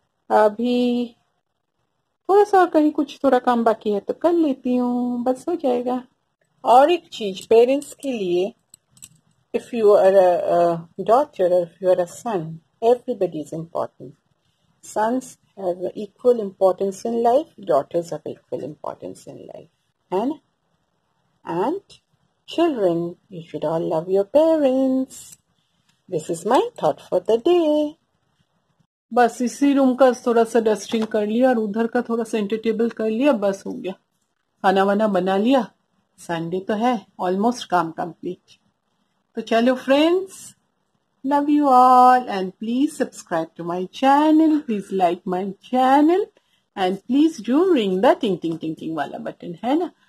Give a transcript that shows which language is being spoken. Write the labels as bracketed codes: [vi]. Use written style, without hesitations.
[hi] अभी थोड़ा सा कहीं कुछ थोड़ा काम बाकी है तो कर लेती हूँ, बस हो जाएगा। और एक चीज पेरेंट्स के लिए, [en] if you are a daughter, if you are a son, everybody is important, sons have equal importance in life, daughters have equal importance in life, [hi] है ना। [en] And children, you should all love your parents. This is my thought for the day. [hi] बस इसी room का थोड़ा सा dusting कर लिया और उधर का थोड़ा सा एंटरटेबल कर लिया, बस हो गया, खाना वाना बना लिया, संडे तो है, ऑलमोस्ट काम कंप्लीट। तो चलो friends, [en] love you all, and please subscribe to my channel, please like my channel, and please do ring the ting ting ting ting वाला button, [hi] है ना।